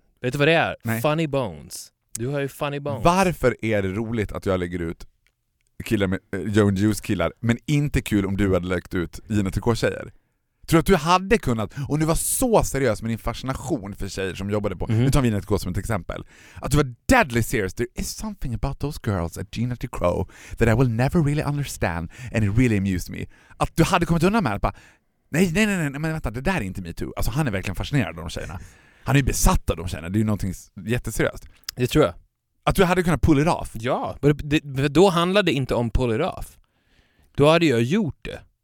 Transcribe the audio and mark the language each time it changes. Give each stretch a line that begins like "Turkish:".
Swedish: Vet du vad det är? Nej.
English: Funny bones.
Swedish: Du har ju
English: funny bones.
Swedish: Varför är det roligt att jag lägger ut killar med Joe and Juice killar, men inte kul om du hade lagt ut Gina TK-tjejer? Tror du att du hade kunnat, och du var så seriös med din fascination för tjejer som jobbade på, nu tar vi Gina TK som ett exempel, att du var
English: deadly serious. There is something about those girls at Gina TK that I will never really understand, and it really amused me.
Swedish: Att du hade kommit undan med att bara, nej, men vänta, det där är inte me too. Alltså han är verkligen fascinerad av de tjejerna. Han är ju besatt av de tjejerna. Det är ju någonting jätteseriöst. Det tror jag. Att du hade kunnat
English: pull it off.
Swedish: Ja, men då handlade det inte om
English: pull it off.
Swedish: Då hade jag gjort det.